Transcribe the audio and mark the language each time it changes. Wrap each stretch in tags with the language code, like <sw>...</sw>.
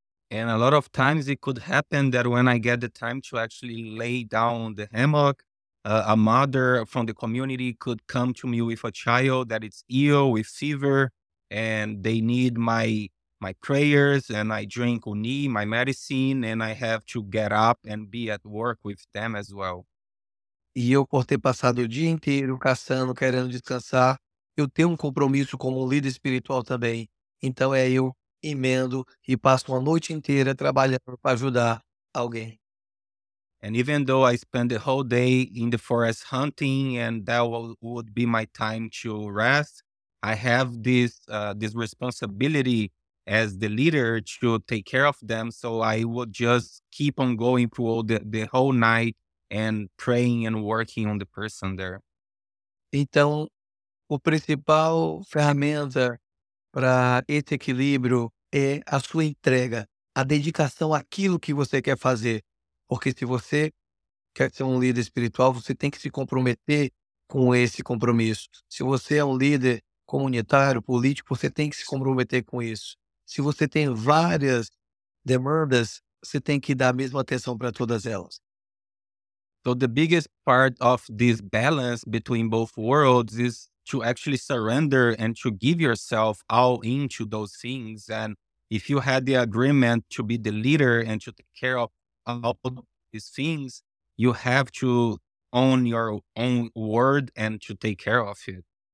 <en>And a lot of times it could happen that when I get the time to actually lay down the hammock, a mother from the community could come to me with a child that is ill with fever, and they need my prayers, and I drink uni, my medicine, and I have to get up and be at work with them as well.</en> <pt>E eu, por ter passado o dia inteiro caçando, querendo descansar, eu tenho um compromisso como líder espiritual também. Então é eu emendo e passo uma noite inteira trabalhando para ajudar alguém.</pt> <en>And even though I spend the whole day in the forest hunting, and that would be my time to rest, I have this responsibility as the leader to take care of them, so I would just keep on going through the whole night and praying and working on the person there.</en> <pt>Então, o principal ferramenta para esse equilíbrio é a sua entrega, a dedicação àquilo que você quer fazer. Porque se você quer ser um líder espiritual, você tem que se comprometer com esse compromisso. Se você é um líder comunitário, político, você tem que se comprometer com isso. Se você tem várias demandas, você tem que dar a mesma atenção para todas elas.</pt> <en>So the biggest part of this balance between both worlds is to actually surrender and to give yourself all into those things. And if you had the agreement to be the leader and to take care of all these things, you have to own your own word and to take care of it.</en>